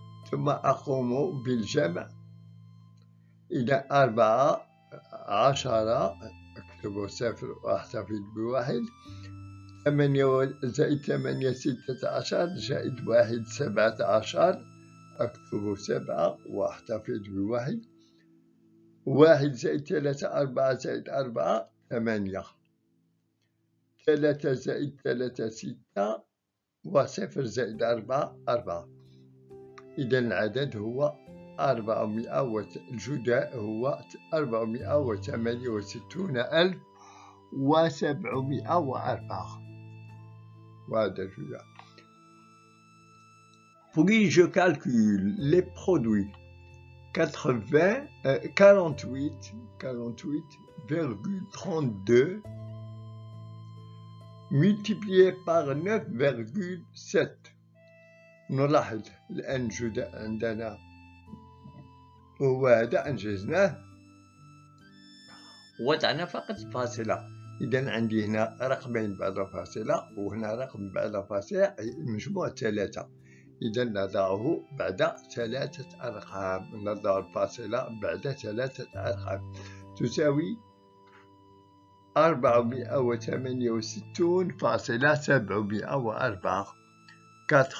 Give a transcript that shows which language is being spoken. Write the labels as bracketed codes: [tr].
[ar] ثم أقوم بالجمع إلى 14، أكتب 0 وأحتفظ بواحد، 8 + 8 = 16 + 1 = 17، أكتب 7 وأحتفظ بواحد، 1 + 3 = 4 + 4 = 8، 3 + 3 = 6 و0 + 4 = 4. إذن العدد هو 400، والجداء هو 468704، وهذا الجداء. [fr] Puis je calcule les produits 48,32 multiplié par 9,7. [ar] نلاحظ الآن جدا عندنا هو هذا، أنجزنا وضعنا فقط فاصلة، إذن عندي هنا رقمين بعد فاصلة وهنا رقم بعد فاصلة، مجموع 3، إذن نضعه بعد 3 أرقام، نضع الفاصلة بعد 3 أرقام تساوي 468.704، 468.704.